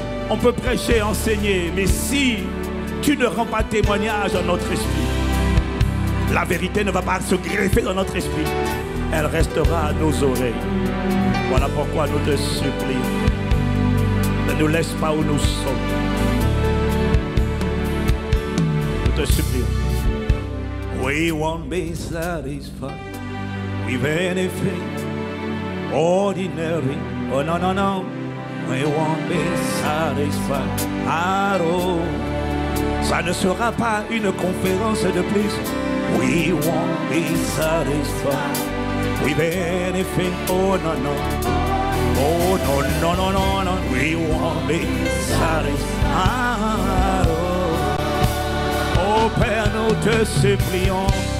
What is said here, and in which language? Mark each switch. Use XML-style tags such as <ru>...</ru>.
<fr>On peut prêcher, enseigner, mais si tu ne rends pas témoignage à notre esprit, la vérité ne va pas se greffer dans notre esprit. Elle restera à nos oreilles. Voilà pourquoi nous te supplions. Ne nous laisse pas où nous sommes. Nous te supplions.</fr> <en>We won't be satisfied with anything ordinary. Oh no, no, no. We won't be satisfied at all.</en> <fr>Ça ne sera pas une conférence de plus.</fr> <en>We won't be satisfied. We benefit, oh no, no. Oh no, no, no, no, no. We won't be satisfied.</en> <fr>Oh, oh Père, nous te supplions.</fr>